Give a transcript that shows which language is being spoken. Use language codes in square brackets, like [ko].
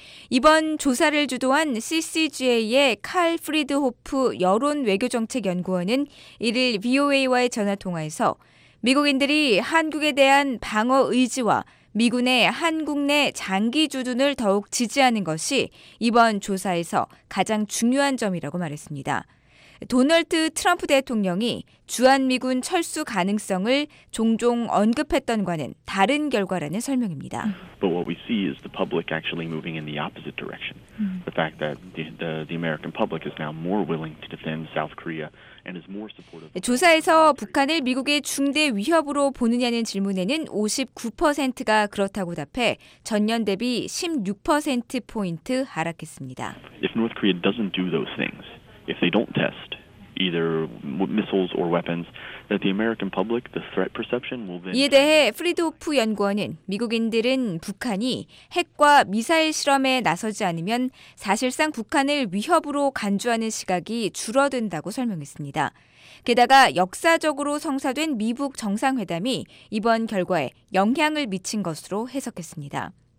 [ko] 이번 조사를 주도한 CCGA의 칼 프리드호프 여론외교정책연구원은 이를 VOA와의 전화통화에서 미국인들이 한국에 대한 방어 의지와 미군의 한국 내 장기 주둔을 더욱 지지하는 것이 이번 조사에서 가장 중요한 점이라고 말했습니다. 도널드 트럼프 대통령이 주한미군 철수 가능성을 종종 언급했던 과는 다른 결과라는 설명입니다. [en] But what we see is the public actually moving in the opposite direction. The fact that the American public is now more willing to defend South Korea and is more supportive. [ko] 조사에서 북한을 미국의 중대 위협으로 보느냐는 질문에는 59%가 그렇다고 답해 전년 대비 16%포인트 하락했습니다. [en] If North Korea doesn't do those things, if they don't test either missiles or weapons, that the American public, the threat perception will then. [ko] 이에 대해 프리드호프 연구원은 미국인들은 북한이 핵과 미사일 실험에 나서지 않으면 사실상 북한을 위협으로 간주하는 시각이 줄어든다고 설명했습니다. 게다가 역사적으로 성사된 미북 정상회담이 이번 결과에 영향을 미친 것으로 해석했습니다.